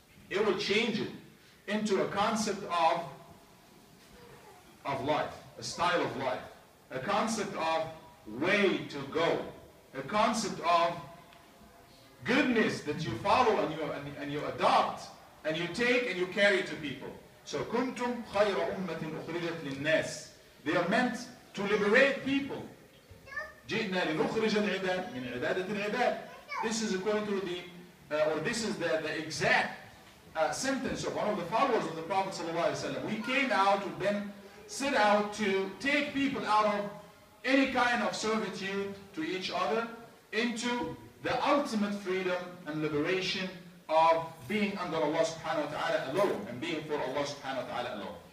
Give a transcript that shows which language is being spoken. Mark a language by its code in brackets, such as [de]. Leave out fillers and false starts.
[en] It will change it into a concept of life, a style of life, a concept of way to go, a concept of goodness that you follow and you adopt and you take and you carry to people. So [ar] كنتم خير أمة أخرجت للناس. [en] They are meant to liberate people. [ar] جئنا لنخرج العباد من عبادة العباد. [en] This is according to the this is the exact sentence of one of the followers of the Prophet [ar] صلى الله عليه وسلم. [en] We came out, we've been sent out to take people out of any kind of servitude to each other into the ultimate freedom and liberation of being under Allah subhanahu wa ta'ala alone and being for Allah subhanahu wa ta'ala alone.